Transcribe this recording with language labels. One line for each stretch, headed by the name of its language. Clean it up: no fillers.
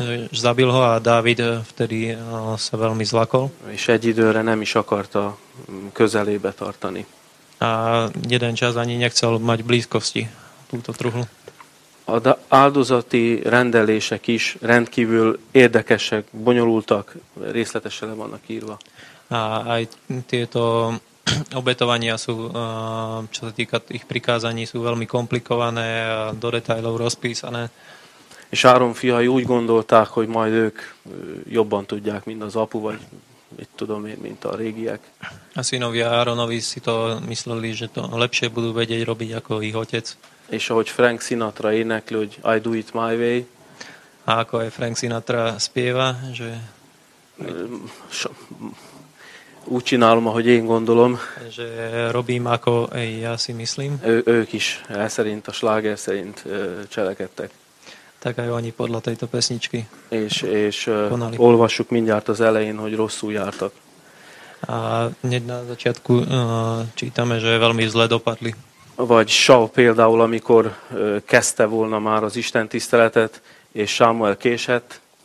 Slovak: Zabil ho a Dávid vtedy sa veľmi zlakol.
Hungarian: És egy időre nem is akarta közelébe tartani.
Slovak: A jeden čas ani nechcel mať blízkosti túto truhlu.
Hungarian: A áldozati rendelések is rendkívül érdekesek, bonyolultak, részletesen le vannak írva.
Slovak: A aj tieto obetovania sú, čo sa týka ich prikázaní, sú veľmi komplikované a do detailov rozpísané.
Hungarian: És Áron fiai úgy gondolták, hogy majd ők jobban tudják, mint az apu, vagy mit tudom én, mint a régiek.
Slovak: A synovia Áronovi si to mysleli, že to lepšie budú vedieť robiť ako ich otec.
Hungarian: És ahogy Frank Sinatra énekli, hogy
English: I do it my way.
Slovak: A ako aj Frank Sinatra spieva, že...
Hungarian: Učinálom, ahogy én gondolom.
Slovak: Že robím, ako ja si myslím.
Hungarian: Ők is, szerint, a sláger szerint cselekedtek.
Slovak: Tak aj oni podľa tejto pesničky.
Hungarian: És olvassuk mindjárt az elején, hogy rosszul jártak.
Slovak: A hneď na začiatku čítame, že veľmi zle dopadli.
Hungarian: Vagy Saul például, amikor kezdte volna már az Isten tiszteletet, és Sámuel késett.